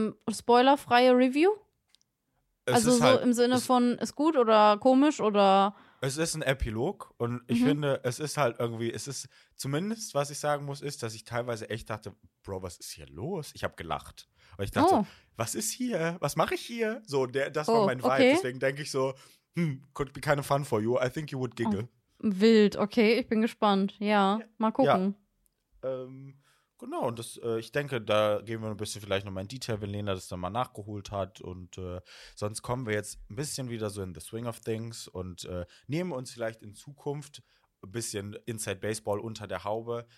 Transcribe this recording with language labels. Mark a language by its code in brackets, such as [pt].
[de] Spoilerfreie Review? Also so im Sinne von, ist gut oder komisch oder. Es ist ein Epilog und ich finde, es ist halt irgendwie, es ist zumindest, was ich sagen muss, ist, dass ich teilweise echt dachte, Bro, was ist hier los? Ich hab gelacht. Weil ich dachte, was ist hier? Was mache ich hier? So, das war mein Vibe. Deswegen denke ich so, [en] could be kind of fun for you. I think you would giggle. [de] Oh. Wild, okay, ich bin gespannt. Ja, mal gucken. Ja. Genau, und das, ich denke, da gehen wir ein bisschen vielleicht nochmal in Detail, wenn Lena das dann mal nachgeholt hat. Und sonst kommen wir jetzt ein bisschen wieder so [en] in the swing of things [de] und nehmen uns vielleicht in Zukunft ein bisschen Inside Baseball unter der Haube.